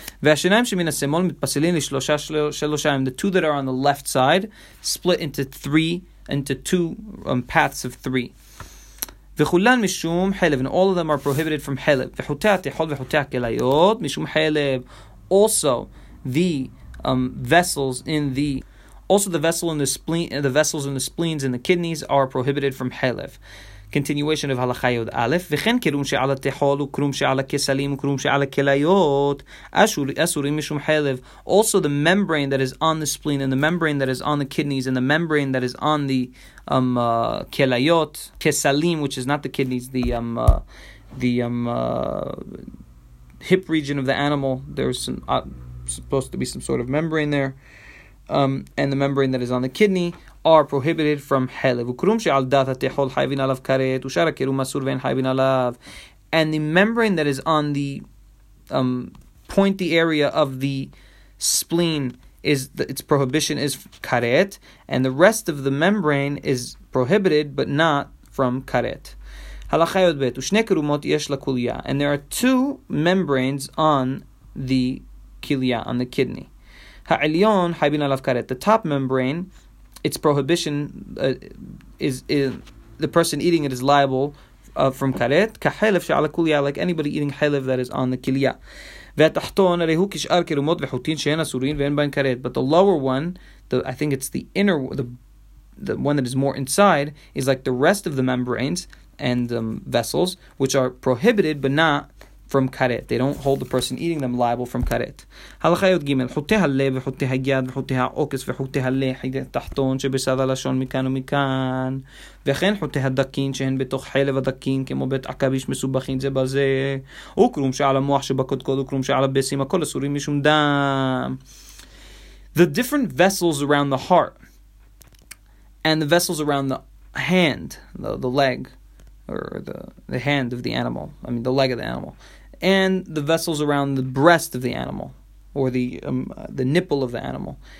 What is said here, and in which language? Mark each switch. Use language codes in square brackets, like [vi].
[he] והשיניים שמן הסמול מתפסלים לשלושה שלושה, [en] and the two that are on the left side split into two paths of three. [he] וכולן משום חלב, [en] and all of them are prohibited from חלב. [he] וחוטי התחול וחוטי הכליות משום חלב. [en] Also the vessels in the spleens and the kidneys are prohibited from חלב. Continuation of [he] הלכה יוד א', וכן קרום שעל התחול וקרום שעל הכסלים וקרום שעל הכליות אסורים משום חלב. [en] Also the membrane that is on the spleen and the membrane that is on the kidneys and the membrane that is on the כליות, כסלים, which is not the kidneys, the hip region of the animal, there's supposed to be some sort of membrane there, and the membrane that is on the kidney, are prohibited from helev. [he] וקרום שעל דת התחול חייבין עליו קראת, ושאר הקרום אסור ואין חייבין עליו. [en] And the membrane that is on the pointy area of the spleen, its prohibition is karet, and the rest of the membrane is prohibited, but not from karet. [he] הלכה יוד בית, ושני קרומות יש לכוליה. [en] And there are two membranes on the kilia, on the kidney. [he] העליון חייבין עליו קראת. [en] The top membrane, its prohibition is the person eating it is liable from karet. [he] כחלב שעל הכוליה, [en] like anybody eating חלב that is on the kilia. [he] והתחתון הרי הוא כשאר קרומות וחוטין שאין אסורים ואין בהן קראת. [en] But the lower one, I think it's the inner one that is more inside, is like the rest of the membranes and vessels, which are prohibited but not from karet. They don't hold the person eating them liable from karet. [he] הלכה יוד גימל, חוטי הלב וחוטי היד וחוטי העוקס וחוטי הלחי התחתון שבסד הלשון מכאן ומכאן, וכן חוטי הדקין שהן בתוך חלב הדקין כמו בית עכביש מסובכין זה בזה, וקרום שעל המוח שבקודקוד וקרום שעל הבסים, הכל אסורים משום דם. [en] The different vessels around the heart and the vessels around the hand, the leg, or the hand of the animal, I mean the leg of the animal, and the vessels around the breast of the animal, or the nipple of the animal.